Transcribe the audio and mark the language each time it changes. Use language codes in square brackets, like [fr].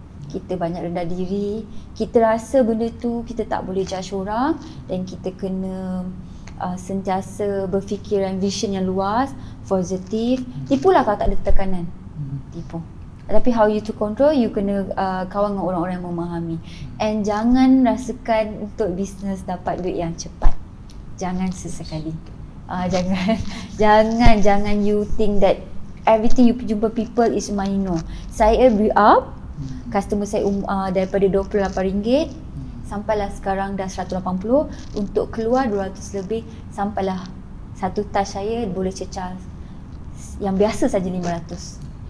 [ms] Kita banyak rendah diri, kita rasa benda tu kita tak boleh judge orang dan kita kena sentiasa berfikiran vision yang luas, positif. Tipulah kalau tak ada tekanan, tipu. Tapi [en] how you to control, you [ms] kena kawan dengan orang-orang yang memahami. [en] And [ms] jangan rasakan untuk business dapat duit yang cepat. Jangan sesekali. Jangan jangan jangan [en] you think that everything you jumpa people is money. No. [ms] Saya [en] build up customer [ms] saya daripada RM28 sampailah sekarang dah RM180, untuk keluar RM200 lebih, sampailah satu touch saya boleh cecah yang biasa saja RM500.